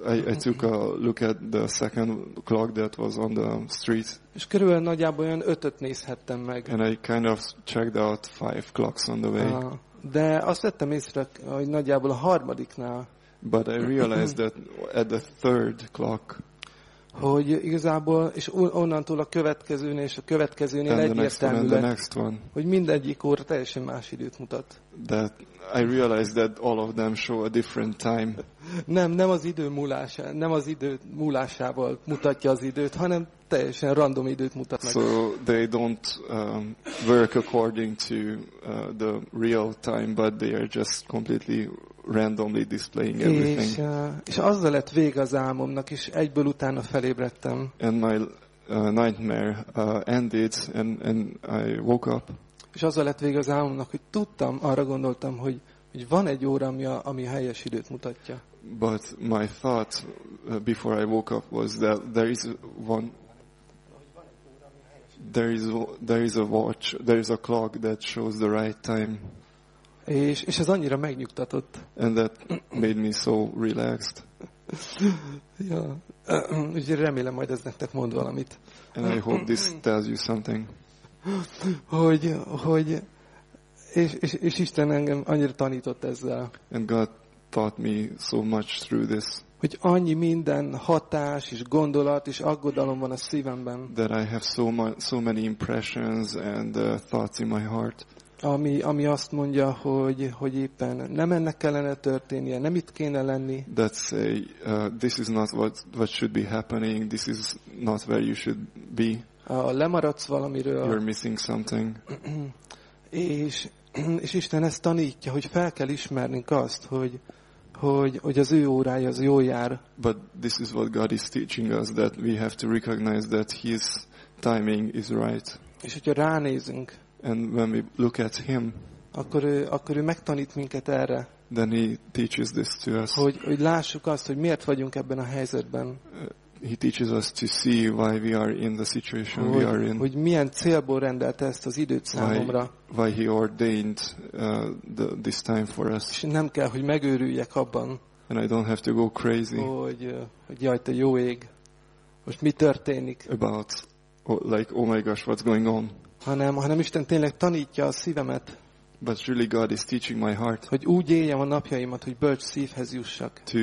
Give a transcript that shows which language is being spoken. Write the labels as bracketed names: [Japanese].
[English] I took a look at the second clock that was on the street. [Hungarian] És körülbelül nagyjából olyan ötöt nézhettem meg. [English] And I kind of checked out five clocks on the way. [Hungarian] De azt vettem észre, hogy nagyjából a harmadiknál. [English] But I realized that at the third clock. [Hungarian] Hogy igazából, és onnantól a következőnél és a következőnél egyértelmű lett, hogy mindegyik óra teljesen más időt mutat. [English] That I realized that all of them show a different time. [Hungarian] Nem az idő múlása, nem az idő múlásával mutatja az időt, hanem teljesen random időt mutat meg. [English] So they don't work according to the real time, but they are just completely randomly displaying everything. [Hungarian] És azzal lett vége az álmomnak, és egyből utána felébredtem. [English] And my nightmare ended, and I woke up. [Hungarian] És azzal lett vége az álmomnak, hogy tudtam, arra gondoltam, hogy van egy óra, ami a helyes időt mutatja. [English] But my thought before I woke up was that there is one. There is a watch. There is a clock that shows the right time. [Hungarian] És ez annyira megnyugtatott. [English] And that made me so relaxed. [Hungarian] Ja, úgyhogy remélem, majd ez nektek mond valamit. [English] And I hope this tells you something. [Hungarian] Hogy és Isten engem annyira tanított ezzel. [English] And God taught me so much through this. [Hungarian] Hogy annyi minden hatás és gondolat és aggodalom van a szívemben. [English] That I have so many impressions and thoughts in my heart. [Hungarian] Ami azt mondja, hogy éppen nem ennek kellene történnie, nem itt kéne lenni. [English] That say this is not what should be happening. This is not where you should be. [Hungarian] Lemaradsz valamiről. [English] You're missing something. [Hungarian] És Isten ezt tanítja, hogy fel kell ismernünk azt, hogy az ő órája az jól jár. [English] But this is what God is teaching us, that we have to recognize that His timing is right. [Hungarian] És hogyha ránézünk, [English] and when we look at Him, [Hungarian] akkor ő megtanít minket erre. [English] Then He teaches this to us. [Hungarian] Hogy lássuk azt, hogy miért vagyunk ebben a helyzetben. [English] He teaches us to see why we are in the situation we are in. [Hungarian] Hogy milyen célból rendelt ezt az időt számomra. [English] Why he ordained this time for us. [Hungarian] És nem kell, hogy megőrüljek abban. [English] And I don't have to go crazy. [Hungarian] Hogy jaj, te jó ég. Most mi történik? [English] About like oh my gosh, what's going on? [Hungarian] Hanem Isten tényleg tanítja a szívemet. [English] But really God is teaching my heart. [Hungarian] Hogy úgy éljem a napjaimat, hogy bölcs szívhez jussak.